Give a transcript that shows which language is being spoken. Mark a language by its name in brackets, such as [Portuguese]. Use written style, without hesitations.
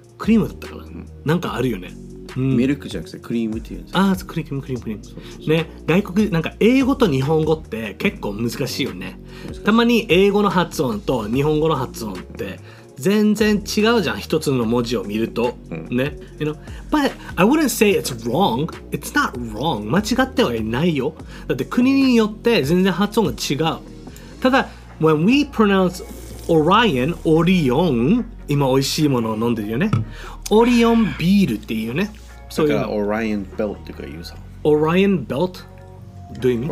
[Japanese] クリームだったから。うん、なんかあるよね。うん、ミルクじゃなくてクリームって言うんですか。ああ、クリームクリームクリーム。そうそうそう、ね、外国なんか英語と日本語って結構難しいよね。たまに英語の発音と日本語の発音って全然違うじゃん。一つの文字を見ると、うん、ね。 [English] You know, but I wouldn't say it's wrong. It's not wrong. [Japanese] 間違ってはいないよ。だって国によって全然発音が違う。ただ [English] when we pronounce Orion, Orion、 [Japanese] 今美味しいものを飲んでるよね。オリオンビールっていうね。だからオライアンベルトとか言うさ。オライアンベルト、どういう意味？